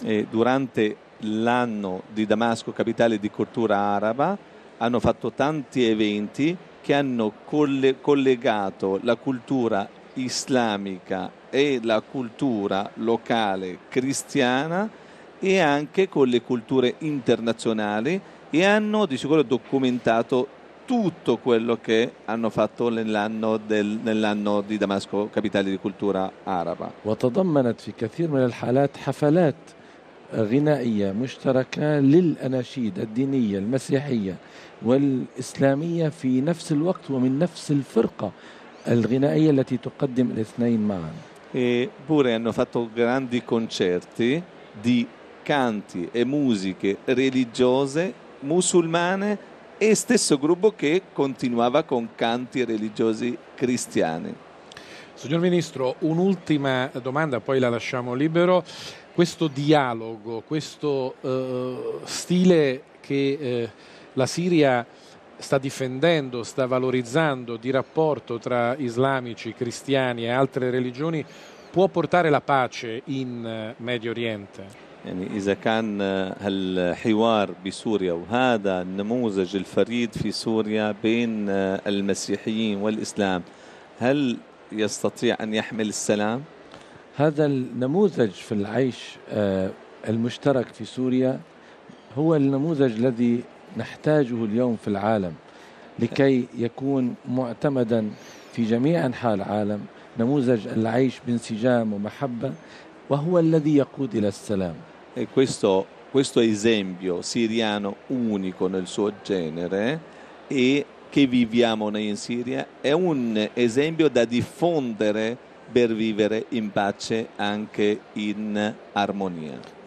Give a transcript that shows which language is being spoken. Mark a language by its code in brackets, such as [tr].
[it] Durante l'anno di Damasco, capitale di cultura araba, hanno fatto tanti eventi che hanno collegato la cultura islamica e la cultura locale cristiana e anche con le culture internazionali e hanno di sicuro documentato tutto quello che hanno fatto nell'anno di Damasco, capitale di cultura araba. [ar] وتضمنت في كثير من الحالات حفلات غنائية مشتركة للأناشيد الدينية المسيحية والإسلامية في نفس الوقت ومن نفس الفرقة الغنائية التي تقدم الاثنين معا. [it] E pure hanno fatto grandi concerti di canti e musiche religiose musulmane e stesso gruppo che continuava con canti religiosi cristiani. Signor Ministro, un'ultima domanda, poi la lasciamo libero. Questo dialogo, questo stile che la Siria sta difendendo, sta valorizzando, di rapporto tra islamici, cristiani e altre religioni, può portare la pace in Medio Oriente? [ar] إذا كان الحوار بسوريا وهذا النموذج الفريد في سوريا بين المسيحيين والإسلام هل يستطيع أن يحمل السلام؟ هذا النموذج في العيش المشترك في سوريا هو النموذج الذي نحتاجه اليوم في العالم لكي يكون معتمدا في جميع أنحاء العالم نموذج العيش بانسجام ومحبة وهو الذي يقود إلى السلام [it] E questo esempio siriano unico nel suo genere e che viviamo noi in Siria è un esempio da diffondere per vivere in pace anche in armonia.